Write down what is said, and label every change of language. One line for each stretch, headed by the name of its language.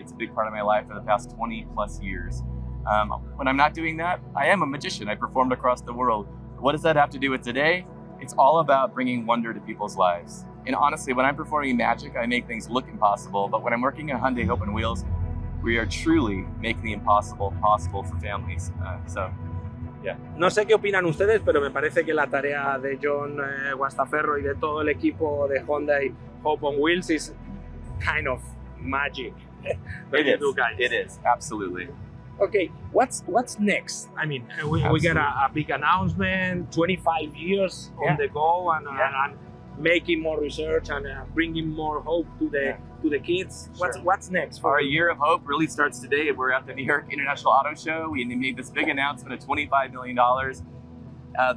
English: It's a big part of my life for the past 20 plus years. When I'm not doing that, I am a magician. I performed across the world. What does that have to do with today? It's all about bringing wonder to people's lives. And honestly, when I'm performing magic, I make things look impossible. But when I'm working at Hyundai Hope on Wheels, we are truly making the impossible possible for families.
Spanish: No sé qué opinan ustedes, pero me parece que la tarea de John Guastaferro y de todo el equipo de Hyundai Hope on Wheels
English: is kind of magic. It is. It is, absolutely. Okay, what's next? I mean, we got a big announcement, 25 years on the go, and making more research and bringing more hope to the to the kids. Sure. What's next? Our year of hope really starts today. We're at the New York International Auto Show. We made this big announcement of $25 million.